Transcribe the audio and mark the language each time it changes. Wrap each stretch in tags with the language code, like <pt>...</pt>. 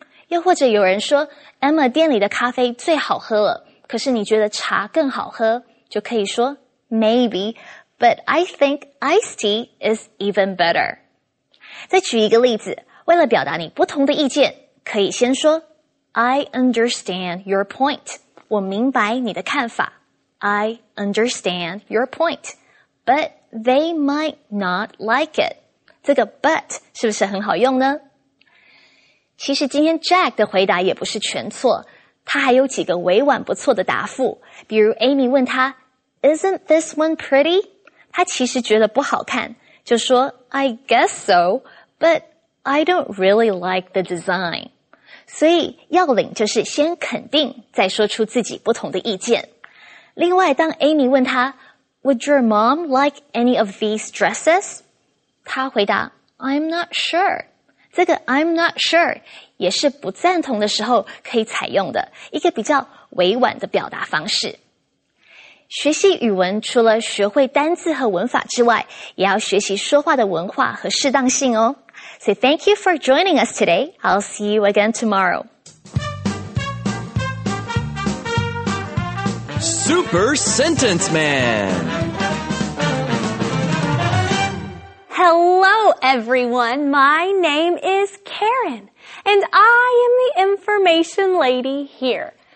<zh>又或者有人说 Emma 店里的咖啡最好喝了，可是你觉得茶更好喝，就可以说</zh> <en>Maybe, but I think iced tea is even better.</en> <zh>再举一个例子，为了表达你不同的意见，可以先说</zh> <en>I understand your point.</en> <zh>我明白你的看法。</zh> <en>I understand your point. But they might not like it.</en> <zh>这个 but 是不是很好用呢？其实今天 Jack 的回答也不是全错，他还有几个委婉不错的答复，比如 Amy 问他</zh> <en>Isn't this one pretty?</en> <zh>他其实觉得不好看，就说</zh> <en>I guess so, but I don't really like the design.</en> <zh>所以要领就是先肯定，再说出自己不同的意见。另外，当 Amy 问他</zh> <en>Would your mom like any of these dresses?</en> <zh>他回答</zh> <en>I'm not sure.</en> <zh>这个</zh> <en>I'm not sure</en> <zh>也是不赞同的时候可以采用的一个比较委婉的表达方式。学习语文除了学会单字和文法之外，也要学习说话的文化和适当性哦。</zh> <en>So thank you for joining us today. I'll see you again tomorrow. Super Sentence Man. Hello everyone. My name is Karen, and I am the information lady here.</en>